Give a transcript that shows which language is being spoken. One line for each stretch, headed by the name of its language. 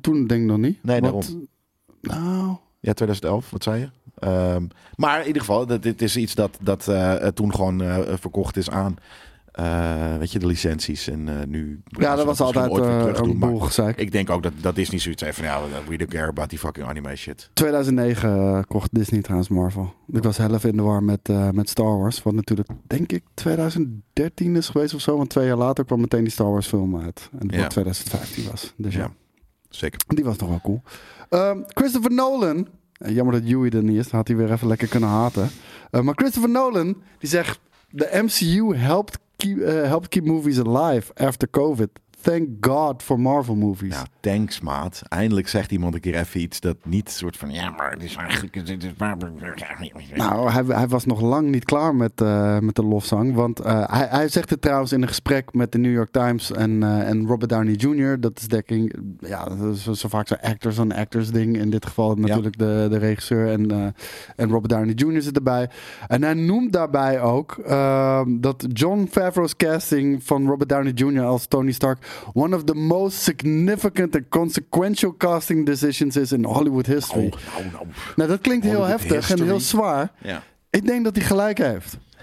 Dutch: toen denk ik nog niet. Nee, daarom. Nou... Ja, 2011, wat zei je? Maar in ieder geval, dit is iets dat toen gewoon verkocht is aan... weet je, de licenties en nu... Ja, dat was altijd een boel gezeik. Ik denk ook dat Disney zoiets heeft van...
English: Ja, we don't care about die fucking anime shit.
Dutch: 2009 kocht Disney trouwens Marvel. Ik was half in de war met Star Wars. Wat natuurlijk, denk ik, 2013 is geweest of zo. Want 2 jaar later kwam meteen die Star Wars film uit. En dat 2015 was. Dus ja, zeker. Die was toch wel cool. Christopher Nolan... Jammer dat Huey er niet is. Dan had hij weer even lekker kunnen haten. Maar Christopher Nolan, die zegt... De MCU helpt
English: keep movies alive after COVID. Thank God for Marvel movies.
Dutch: Ja, thanks, maat. Eindelijk zegt iemand een keer even iets dat niet soort van... Ja, maar het is eigenlijk... Nou, hij was nog lang niet klaar met de lofzang. Want hij zegt het trouwens in een gesprek met de New York Times en Robert Downey Jr. Dat is dekking... Ja, zo vaak zo'n actors-on-actors ding. In dit geval natuurlijk de regisseur en Robert Downey Jr. zit erbij. En hij noemt daarbij ook dat Jon Favreau's casting van Robert Downey Jr. als Tony Stark...
English: One of the most significant and consequential casting decisions is in Hollywood history.
Dutch: Nou, dat klinkt heel Hollywood heftig history. En heel zwaar.
English: Yeah.
Dutch: Ik denk dat hij gelijk heeft.